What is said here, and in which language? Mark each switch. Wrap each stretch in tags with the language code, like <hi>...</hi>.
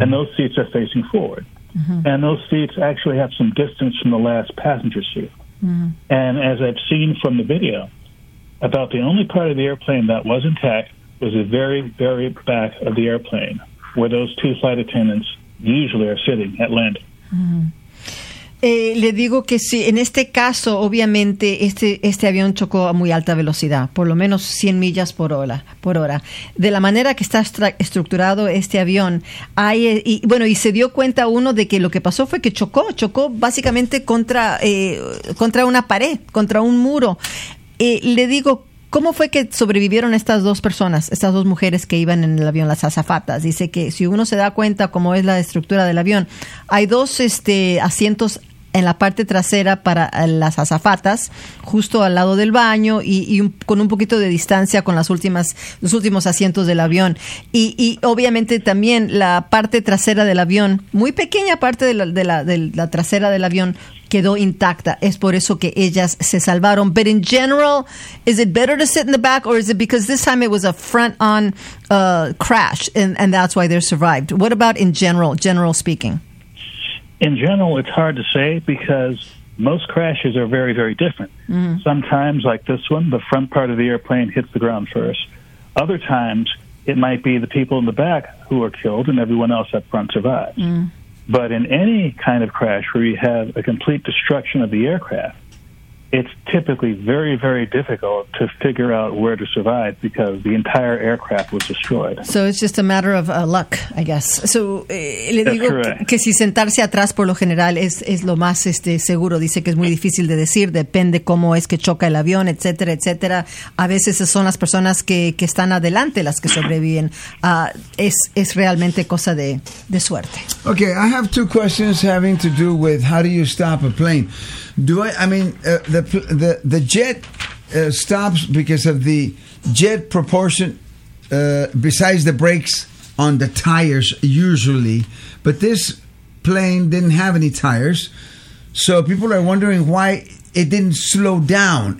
<en>and those seats are facing forward. Mm-hmm. And those seats actually have some distance from the last passenger seat. Mm-hmm. And as I've seen from the video, about the only part of the airplane that was intact was the very, very back of the airplane, where those two flight attendants usually are sitting at landing. Mm-hmm.</en> <es>Le digo que sí, en este caso, obviamente, este avión chocó a muy alta velocidad, por lo menos 100 millas por hora. De la manera que está estructurado este avión, y se dio cuenta uno de que lo que pasó fue que chocó básicamente contra una pared, contra un muro. Le digo, ¿cómo fue que sobrevivieron estas dos personas, estas dos mujeres que iban en el avión, las azafatas? Dice que si uno se da cuenta cómo es la estructura del avión, hay dos asientos en la parte trasera para las azafatas, justo al lado del baño y con un poquito de distancia con los últimos asientos del avión. Y obviamente también la parte trasera del avión, muy pequeña parte de la trasera del avión, quedó intacta. Es por eso que ellas se salvaron.</es> <en>But in general, is it better to sit in the back, or is it because this time it was a front-on crash and that's why they survived? What about in general speaking? In general, it's hard to say because most crashes are very, very different. Mm-hmm. Sometimes, like this one, the front part of the airplane hits the ground first. Other times, it might be the people in the back who are killed and everyone else up front survives. Mm-hmm. But in any kind of crash where you have a complete destruction of the aircraft, it's typically very, very difficult to figure out where to survive because the entire aircraft was destroyed. So it's just a matter of luck, I guess.</en> <es>So le digo que si sentarse atrás por lo general es lo más seguro. Dice que es muy difícil de decir. Depende cómo es que choca el avión, etcétera, etcétera. A veces son las personas que están adelante las que sobreviven. Es realmente cosa de suerte.</es> <en>Okay, I have two questions having to do with how do you stop a plane. The jet stops because of the jet propulsion besides the brakes on the tires usually, but this plane didn't have any tires, so people are wondering why it didn't slow down.</en>